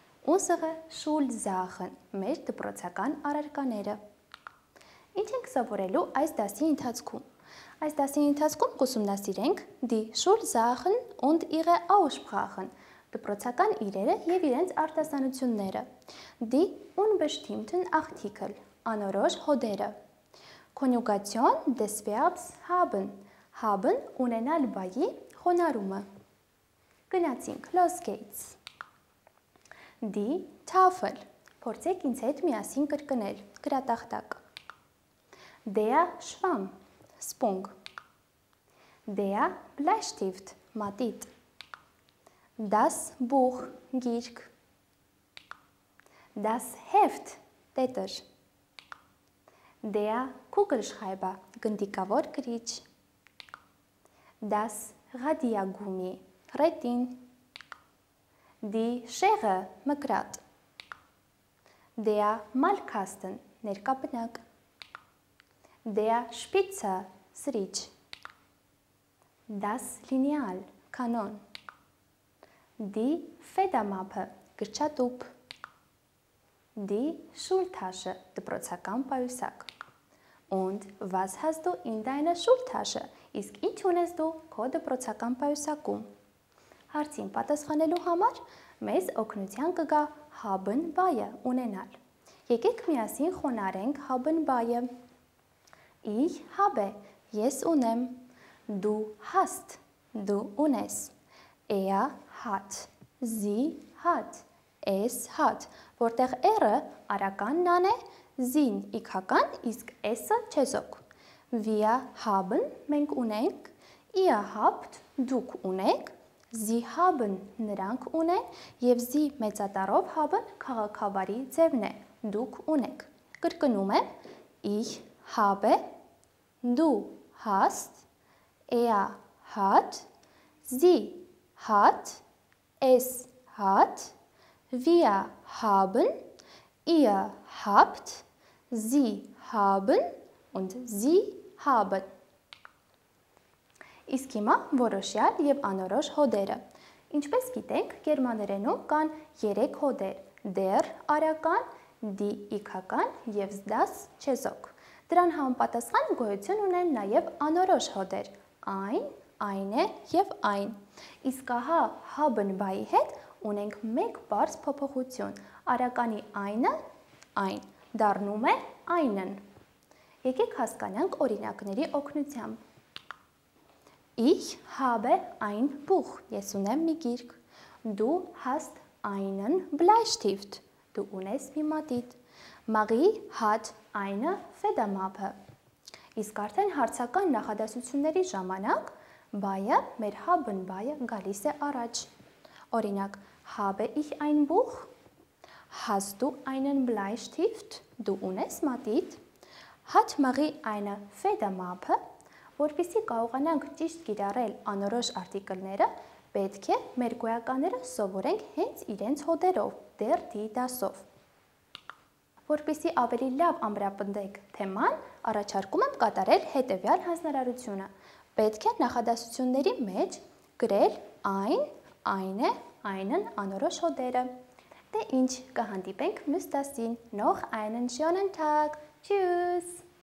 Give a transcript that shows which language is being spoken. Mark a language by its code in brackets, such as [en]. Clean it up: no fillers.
[de] Unsere Schulsachen, [hy] մեր դպրոցական առարկաները։ Ինչ ենք սովորելու այս դասի ընթացքում։ Այս դասի ընթացքում կուսումնասիրենք [de] Die Schulsachen und ihre Aussprachen, [hy] դպրոցական իրերը և իրենց արտասանությունները, [de] Die unbestimmten Artikel, [hy] անորոշ հոդերը, [de] Konjugation des Verbs haben, [hy] haben ունենալ բայի խոնարհումը։ Գնացինք, [de] los geht's! Die Tafel, [hy] փորձեք ինձ հետ միասին կրկնել, գրատախտակ, [de] Der Schwamm, [hy] Սպունգ, [de] Der Bleistift, [hy] մատիտ, [de] Das Buch, [hy] գիրք, [de] Das Heft, տետր, Der Kugelschreiber, [hy] գնդիկավոր գրիչ, [de] Das Radiergummi, ռետին, Die Schere, մկրատ, Der Malkasten, ներկապնակ, Der Spitze, սրիչ, Das Lineal, կանոն, Die Federmappe, գրչատուփ, Die Schultasche, դպրոցական պայուսակ, Und was hast du in deiner Schultasche? [hy] Իսկ ինչ ունես դու քո դպրոցական պայուսակում? Հարցին պատասխանելու համար մեզ օգնության կգա Haben-Bei-ը ունենալ. Եկեք միասին խոնարենք Haben-Bei-ը. [de] Ich habe, [hy] ես ունեմ. [de] Du hast, [hy] դու ունես. [de] Er hat, sie hat, es hat. [hy] Որտեղ R-ը արականն ան է, զին իգական, իսկ S-ը չեզոք. [de] Wir haben, [hy] մենք ունենք. [de] Ihr habt, [hy] դուք ունեք. [de] Sie haben, [hy] նրանք ունեն, եւ զի մեծատառով haben քաղաքավարի ձևն է, դուք ունեք։ Կրկնում եմ. [de] Ich habe, du hast, er hat, sie hat, es hat, wir haben, ihr habt, sie haben und sie haben. [hy] Իսկ հիմա որոշյալ եւ անորոշ հոդերը։ Ինչպես գիտենք, գերմաներենում կան 3 հոդեր. Der արական, die իգական եւ das չեզոք։ Դրան համապատասխան գոյություն ունեն նաեւ անորոշ հոդեր. [de] Ein, eine եւ ein. [hy] Իսկ ահա Haben-Bei-ի հետ ունենք մեկ պարզ փոփոխություն. Արականի ein-ը ein դառնում է ein-ն։ Եկեք հասկանանք օրինակների օգնությամբ։ [de] Ich habe ein Buch. [hy] Ես ունեմ մի գիրք. [de] Du hast einen Bleistift. [hy] Դու ունես մի մատիտ. [de] Marie hat eine Federmappe. [hy] Իսկ արդեն հարցական նախադասությունների ժամանակ բայը, մեր Haben-Bei-ը գալիս է առաջ։ Օրինակ, [de] habe ich ein Buch? Hast du einen Bleistift? [hy] Դու ունես մատիտ? [de] Hat Marie eine Federmappe? [hy] Որպեսզի կարողանանք ճիշտ կիրառել անորոշ արտիկլները, պետք է մեր գոյականները սովորենք հենց իրենց հոդերով, դեռ դասով։ Որպեսզի ավելի լավ ամրապնդեք թեման, առաջարկում եմ կատարել հետևյալ հանձնարարությունը։ Պետք է նախադասությունների մեջ գրել այն, այնը, այնն անորոշ հոդերը։ Դե ինչ, կհանդիպենք մյուս դասին, [de] noch einen schönen Tag. Tschüss.